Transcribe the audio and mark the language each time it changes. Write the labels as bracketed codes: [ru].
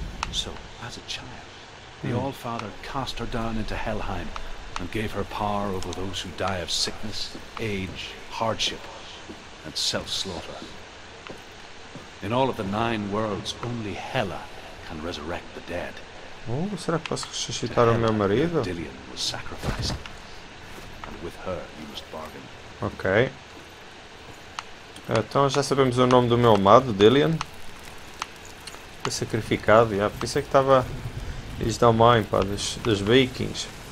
[en] So, as a child, the Allfather cast her down into Helheim. And gave her power over those who die of sickness, age, hardship, and self-slaughter. In all of the 9 worlds, only Hela can resurrect the dead. [pt] Oh, será que posso ressuscitar o meu marido? [en] Dillion was sacrificed, and with her you must bargain. Ok. [pt] Então já sabemos o nome do meu amado, Dillion. Foi sacrificado, já. Pensei que estava... Isso da mãe, pá, dos vikings.